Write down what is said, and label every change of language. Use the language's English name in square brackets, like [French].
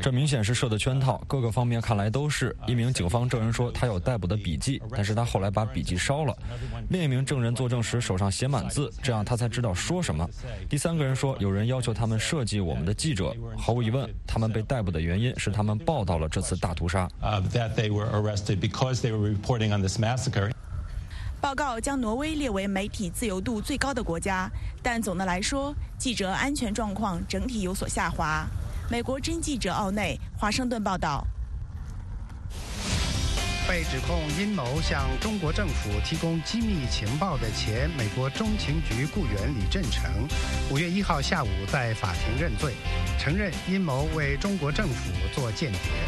[Chinese] 这明显是设的圈套，各个方面看来都是。一名警方证人说，他有逮捕的笔记，但是他后来把笔记烧了。另一名证人作证时手上写满字，这样他才知道说什么。第三个人说，有人要求他们设计我们的记者。毫无疑问，他们被逮捕的原因是他们报道了这次大屠杀。 [English] That they were arrested because they were reporting on this massacre. [Chinese] 报告将挪威列为媒体自由度最高的国家，但总的来说，记者安全状况整体有所下滑。美国真记者奥内，华盛顿报道。被指控阴谋向中国政府提供机密情报的前美国中情局雇员李振成，五月一号下午在法庭认罪，承认阴谋为中国政府做间谍。